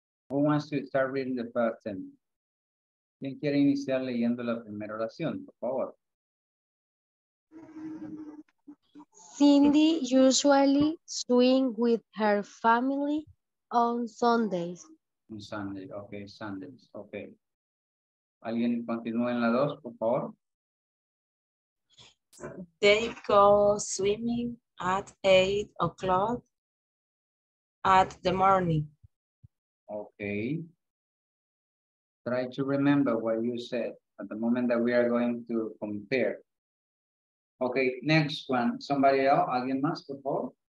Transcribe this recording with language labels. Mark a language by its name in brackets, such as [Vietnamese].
[English] Who wants to start reading the first sentence? [Spanish] ¿Quién quiere iniciar leyendo la primera oración, por favor? [English] Cindy usually swing with her family on Sundays. On Sunday, okay, Sundays, okay. [Spanish] ¿Alguien continúa en la dos, por favor? [English] They go swimming at 8 o'clock at the morning. Okay, try to remember what you said at the moment that we are going to compare. Okay, next one, somebody else, [Spanish] alguien más, por favor.